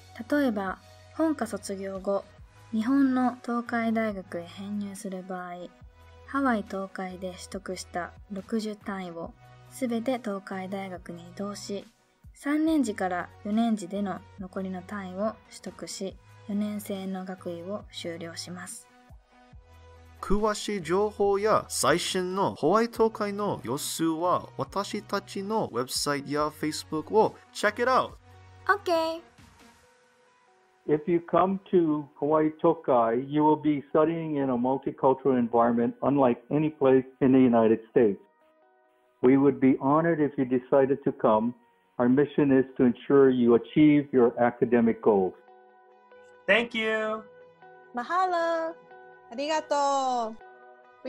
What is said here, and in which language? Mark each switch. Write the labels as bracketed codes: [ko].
[ja] 例えば、本科卒業後、日本の東海大学へ編入する場合、ハワイ東海で取得した60単位を全て東海大学に移動し、3年次から4年次での残りの単位を取得し、4年生の学位を修了します。詳しい情報や最新のホワイト会の様子は私たちのウェブサイトや Facebook を [en] check it out! Okay! If you come to Hawaii Tokai, you will be studying in a multicultural environment unlike any place in the United States. We would be honored if you decided to come. Our mission is to ensure you achieve your academic goals. Thank you! [ja] Mahalo! ありがとう!